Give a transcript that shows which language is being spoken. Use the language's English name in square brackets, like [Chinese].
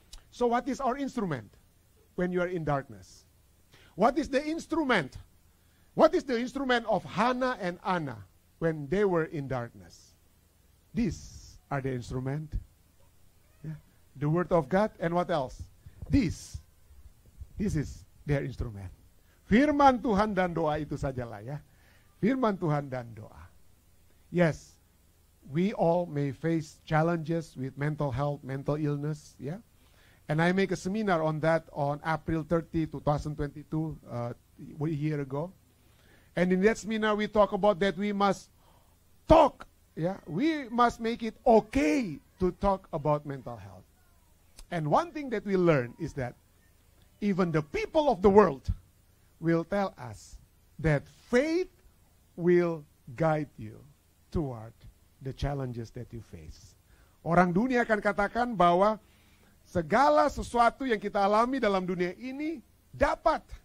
[English] So what is our instrument when you are in darkness? What is the instrument? What is the instrument of Hannah and Anna when they were in darkness? These are the instrument. Yeah. The word of God, and what else? This is their instrument. [Indonesian] Firman Tuhan dan doa itu sajalah ya. Firman Tuhan dan doa. Yes. [English] We all may face challenges with mental health, mental illness, yeah? And I make a seminar on that on April 30, 2022, a year ago. And in that seminar, we talk about that we must talk, yeah? We must make it okay to talk about mental health. And one thing that we learn is that even the people of the world will tell us that faith will guide you toward the challenges that you face. [Indonesian] Orang dunia akan katakan bahwa segala sesuatu yang kita alami dalam dunia ini dapat.